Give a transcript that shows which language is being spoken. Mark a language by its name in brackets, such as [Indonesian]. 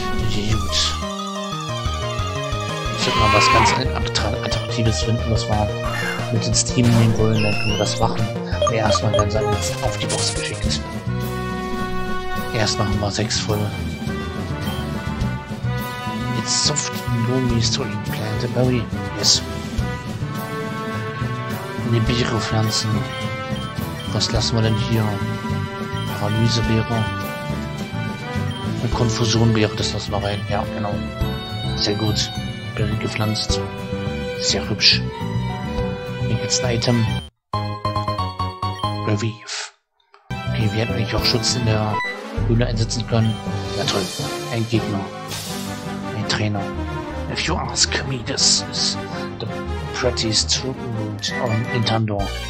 [German] Ich hätte mal was ganz Attraktives finden, was wir mit ins Team nehmen wollen, dann können wir das machen. Aber erstmal werden sie auf die Box geschickt. Erstmal haben wir 6 voll. [English] It's soft and loamy to implant a berry. Yes. [German] Nibiru-Pflanzen. Was lassen wir denn hier? Paralyse wäre. Eine Konfusion wäre, das lassen wir rein. Ja, genau. Sehr gut. Berry gepflanzt. Sehr hübsch. Hier gibt's ein Item. Revive. Okay, wir hätten eigentlich auch Schutz in der Höhle einsetzen können. Ja, toll. Ein Gegner. Trainer. [English] If you ask me, this is the prettiest root in Tandor.